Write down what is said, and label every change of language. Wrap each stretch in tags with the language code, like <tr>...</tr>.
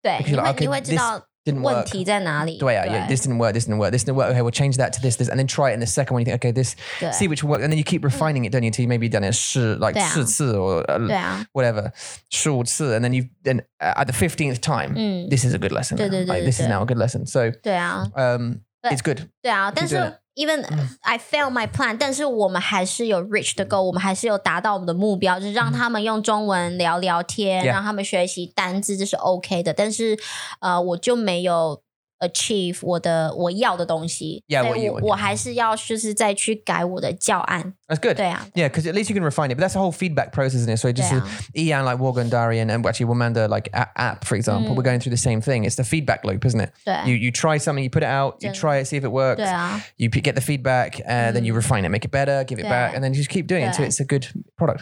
<zh>对，你会知道问题在哪里。对啊</zh> <en>yeah, this didn't work. Okay, we'll change that to this, and then try it in the second one. You think, okay, this, see which works, and then you keep refining it, don't you? Until you maybe done it like 四次 or whatever, 十五次, and then you then at the 15th time, this is a good lesson.</en> <zh>对,</zh> <en>like, this is now a good lesson. So,</en> <zh>对啊,</zh> <en>it's good.</en> <zh>对啊,</zh> <en>keep doing it. Even I failed my plan,</en> <zh>但是我们还是有</zh> <en>reach the goal,</en> <zh>我们还是有达到我们的目标，就是让他们用中文聊聊天、</zh> <en>yeah.</en> <zh>让他们学习单字，这是 OK 的，但是我就没有 achieve 我要的东西</zh> <en>yeah,</en> <zh>我还是要就是再去改我的教案。</zh> <en>That's good.</en> <zh>对啊</zh> <en>Yeah, because at least you can refine it, but that's the whole feedback process, isn't it? So it just、啊、 is Ian, like Morgan, Darian, and actually Womanda, like app, for example、we're going through the same thing. It's the feedback loop, isn't it?</en> <zh>对</zh> <en>you try something, you put it out, you try it, see if it works.</en> <zh>对啊</zh> <en>You get the feedback, and、then you refine it, make it better, give it back, and then you just keep doing it until it's a good product.</en>